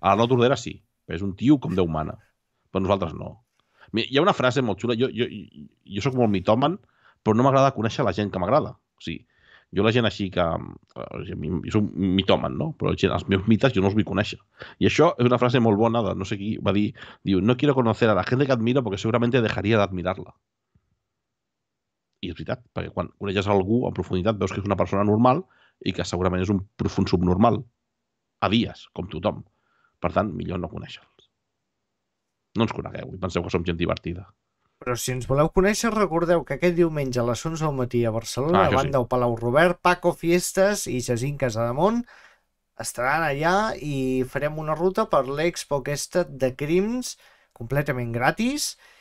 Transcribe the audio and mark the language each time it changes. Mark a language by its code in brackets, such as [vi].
[ca] L'Arnau Tordera sí. És un tio com Déu mana. Però nosaltres no. Hi ha una frase molt xula. Jo sóc molt mitòman, però no m'agrada conèixer la gent que m'agrada. O sigui, jo la gent així que... Jo sóc mitòman, no? Però els meus mites jo no els vull conèixer. I això és una frase molt bona de no sé qui va dir... Diu, [es] no quiero conocer a la gente que admiro porque seguramente dejaría [ca] d'admirar-la. I és veritat, perquè quan coneixes algú en profunditat veus que és una persona normal i que segurament és un profund subnormal a dies, com tothom. Per tant, millor no conèixer-los. No ens conegueu i penseu que som gent divertida. Però si ens voleu conèixer, recordeu que aquest diumenge a les 11 del matí a Barcelona, a banda del Palau Robert, Paco Fiestas i Jacint Casademont estaran allà i farem una ruta per l'expo aquesta de Crims completament gratis.